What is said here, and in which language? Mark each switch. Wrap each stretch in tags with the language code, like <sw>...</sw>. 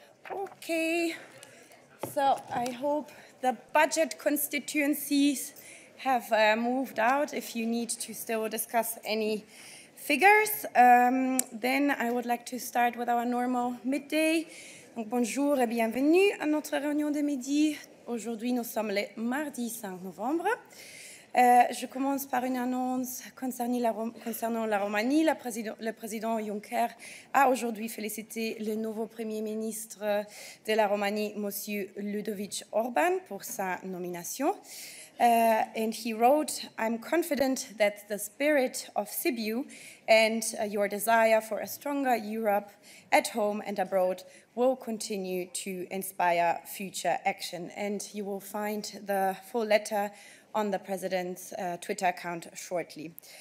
<en>Okay, so I hope the budget constituencies have moved out if you need to still discuss any figures. Then I would like to start with our normal midday.</en> <fr>Donc bonjour et bienvenue à notre réunion de midi. Aujourd'hui, nous sommes le mardi 5 novembre. Je commence par une annonce concernant la Roumanie. Le président Juncker a aujourd'hui félicité le nouveau premier ministre de la Roumanie, M. Ludovic Orban, pour sa nomination.</fr> <en>And he wrote, I'm confident that the spirit of Sibiu and your desire for a stronger Europe at home and abroad will continue to inspire future action. And you will find the full letter on the president's Twitter account shortly.</en>